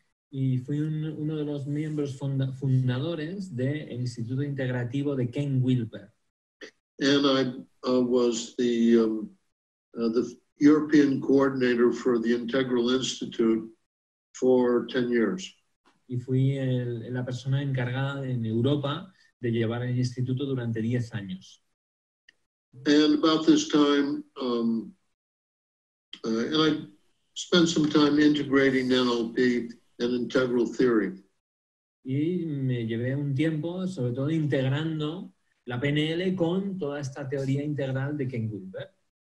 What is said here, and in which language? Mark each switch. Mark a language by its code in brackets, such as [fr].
[es] Y fui uno de los miembros fundadores del Instituto Integrativo de Ken Wilber. [en] And I was the European coordinator for the Integral Institute for 10 years. [es] Y fui la persona encargada en Europa de llevar el instituto durante 10 años. [en] And about this time, and I spent some time integrating NLP and integral theory. [es] Y me llevé un tiempo, sobre todo integrando la PNL con toda esta teoría integral de Ken Wilber.